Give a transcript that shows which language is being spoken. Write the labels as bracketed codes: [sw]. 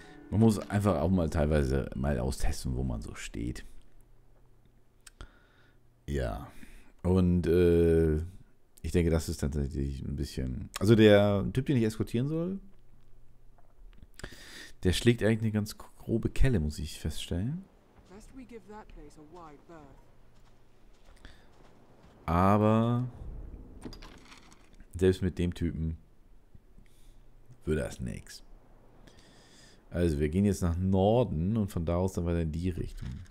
[de] Man muss einfach auch mal teilweise mal austesten, wo man so steht. Ja. Und Ich denke, das ist tatsächlich ein bisschen. Also der Typ, den ich eskortieren soll, der schlägt eigentlich eine ganz grobe Kelle, muss ich feststellen. [en] Best we give that place a wide berth. [de] Aber selbst mit dem Typen würde das nichts. Also wir gehen jetzt nach Norden und von da aus dann weiter in die Richtung.